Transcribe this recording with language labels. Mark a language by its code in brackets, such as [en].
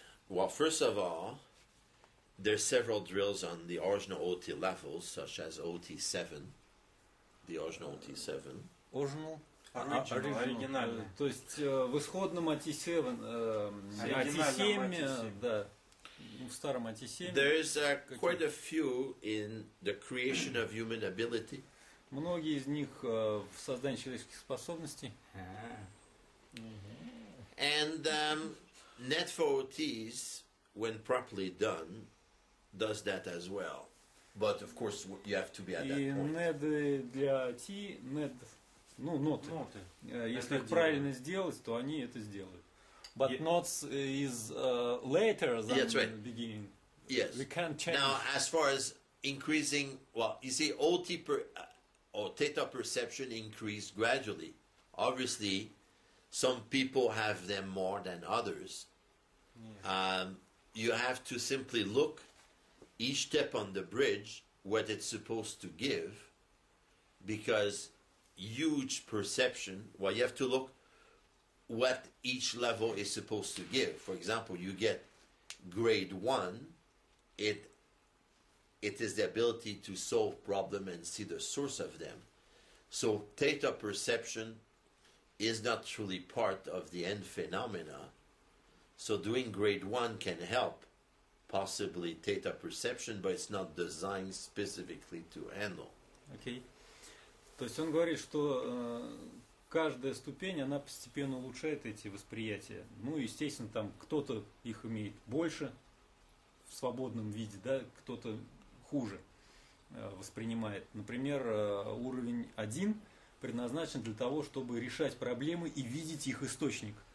[en] Well, first of all, there are several drills on the original OT levels, such as OT7, the original OT7. Original. [ru] Оригинальный. То есть в исходном OT7, да, в старом OT7. [en] There is quite a few in the creation of human ability. [ru] Многие из них в создании человеческих способностей. [en] And net for OTs, when properly done, does that as well. But of course, you have to be at that point. [ru] И NED для OT, NED. Ну, ноты. Если их правильно сделать, то они это сделают. [en] But notes is later than yes, right. The beginning. Yes. We can't change. Now, as far as increasing, well, you see, OT or theta perception increased gradually. Obviously, some people have them more than others. Yes. You have to simply look each step on the bridge, what it's supposed to give, because huge perception. Well, you have to look what each level is supposed to give. For example, you get grade one, it is the ability to solve problems and see the source of them. So theta perception is not truly part of the end phenomena. So doing grade one can help possibly theta perception, but it's not designed specifically to handle. Okay. [ru] То есть он говорит, что каждая ступень, она постепенно улучшает эти восприятия. Ну, естественно, там кто-то их имеет больше в свободном виде, да, кто-то хуже воспринимает. Например, уровень 1 предназначен для того, чтобы решать проблемы и видеть их источник.